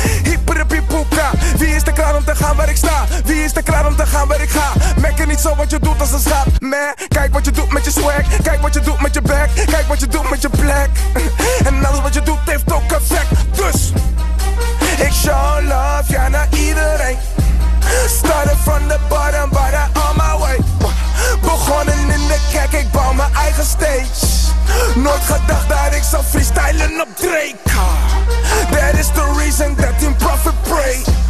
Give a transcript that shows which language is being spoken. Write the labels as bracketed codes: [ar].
[nl] Hyper de pipoeka. Wie is er klaar om te gaan waar ik sta? Wie is er klaar om te gaan waar ik ga? Mekken niet zo wat je doet als een schaap. Meh, kijk wat je doet met je swag. Kijk wat je doet met je back. Kijk wat je doet met je black. En alles wat je doet heeft ook effect. Dus ik show love, ja, naar iedereen. [en] Started from the bottom, but I'm on my way. [nl] Begonnen in de kerk, ik bouw mijn eigen stage. Nooit gedacht dat ik zou freestylen op Drake. [en] That is the reason that in Profit pray.